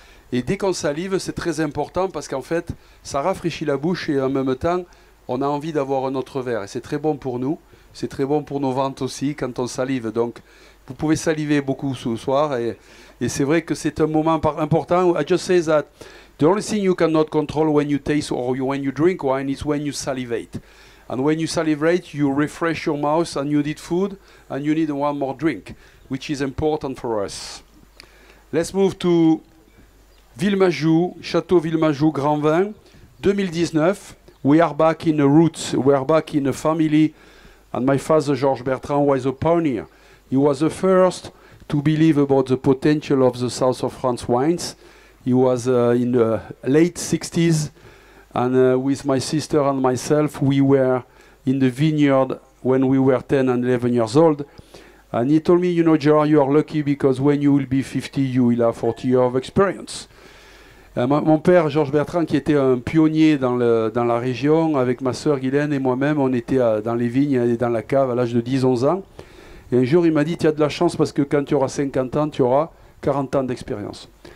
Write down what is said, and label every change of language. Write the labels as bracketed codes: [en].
[fr] Et dès qu'on salive, c'est très important parce qu'en fait, ça rafraîchit la bouche et en même temps, on a envie d'avoir un autre verre. Et c'est très bon pour nous. C'est très bon pour nos ventes aussi quand on salive. Donc, vous pouvez saliver beaucoup ce soir. Et c'est vrai que c'est un moment important. [en] I just say that. The only thing you cannot control when you taste or when you drink wine is when you salivate. And when you salivate, you refresh your mouth and you need food and you need one more drink, which is important for us. Let's move to Villemajou, Château Villemajou Grand Vin, 2019. We are back in the roots. We are back in a family. And my father, Georges Bertrand, was a pioneer. He was the first to believe about the potential of the South of France wines. He was in the late 60s, and with my sister and myself, we were in the vineyard when we were 10 and 11 years old. And he told me, you know, Gerard, you are lucky because when you will be 50, you will have 40 years of experience. [fr] Mon père, Georges Bertrand, qui était un pionnier dans la région, avec ma sœur Guylaine et moi-même, on était dans les vignes et dans la cave à l'âge de 10-11 ans. Et un jour, il m'a dit, tu as de la chance parce que quand tu auras 50 ans, tu auras 40 ans d'expérience.